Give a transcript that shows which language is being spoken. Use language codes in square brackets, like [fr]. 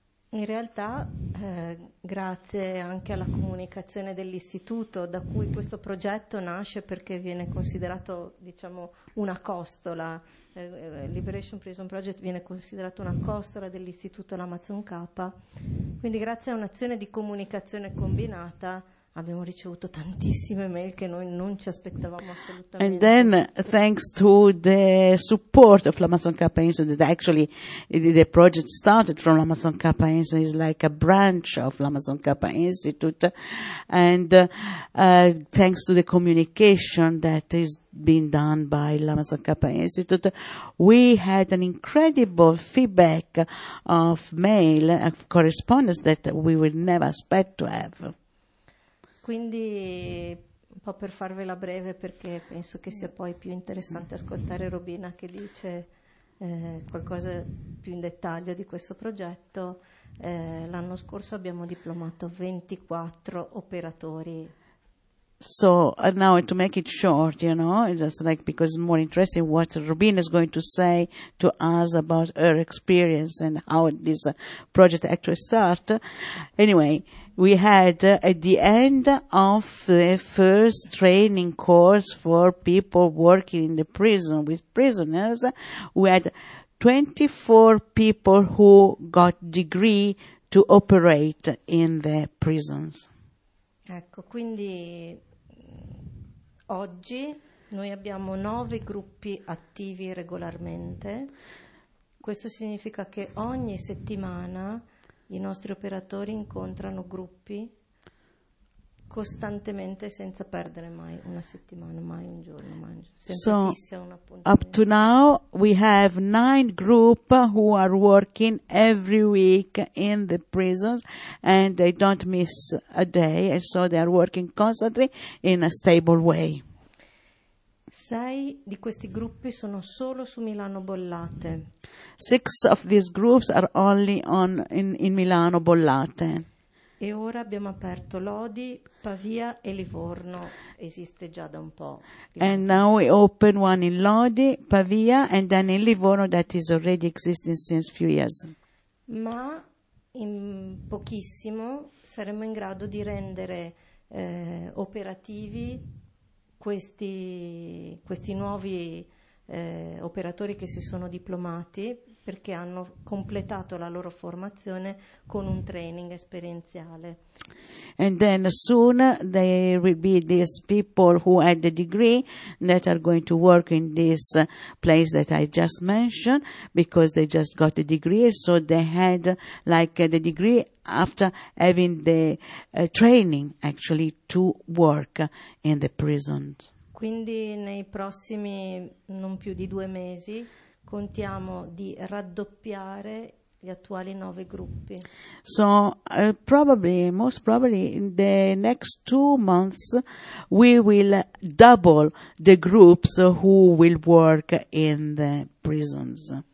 [it] In realtà, grazie anche alla comunicazione dell'istituto da cui questo progetto nasce, perché viene considerato, diciamo, una costola, Liberation Prison Project viene considerato una costola dell'istituto Lamazon Kappa, quindi grazie a un'azione di comunicazione combinata abbiamo ricevuto tantissime mail che noi non ci aspettavamo assolutamente. [en] And then, thanks to the support of Lamazon Kappa Institute, that actually the project started from Lamazon Kappa Institute, is like a branch of Lamazon Kappa Institute, and thanks to the communication that is being done by Lamazon Kappa Institute, we had an incredible feedback of mail, of correspondence that we would never expect to have. [it] Quindi, un po' per farvela breve, perché penso che sia poi più interessante ascoltare Robina che dice qualcosa più in dettaglio di questo progetto, l'anno scorso abbiamo diplomato 24 operatori. [en] So now to make it short, you know, just like because it's more interesting what Robin is going to say to us about her experience and how this project actually started. Anyway, we had at the end of the first training course for people working in the prison with prisoners, we had 24 people who got degree to operate in the prisons. [it] Ecco, quindi oggi noi abbiamo 9 gruppi attivi regolarmente. Questo significa che ogni settimana i nostri operatori incontrano gruppi costantemente, senza perdere mai una settimana, mai un giorno, mai un giorno. [en] So up to now we have 9 group who are working every week in the prisons, and they don't miss a day, and so they are working constantly in a stable way. [it] 6 di questi gruppi sono solo su Milano Bollate. [en] 6 of these groups are only in Milano Bollate. [it] E ora abbiamo aperto Lodi, Pavia e Livorno. Esiste già da un po'. [en] And now we open one in Lodi, Pavia, and then in Livorno that is already existing since few years. [it] Ma in pochissimo saremo in grado di rendere operativi questi nuovi operatori che si sono diplomati, perché hanno completato la loro formazione con un training esperienziale. [en] And then soon there will be these people who had the degree that are going to work in this place that I just mentioned, because they just got the degree, so they had like the degree after having the training actually to work in the prisons. [it] Quindi nei prossimi non più di 2 mesi contiamo di raddoppiare gli attuali 9 gruppi. [en] So probably, most probably, in the next 2 months we will double the groups who will work in the prisons.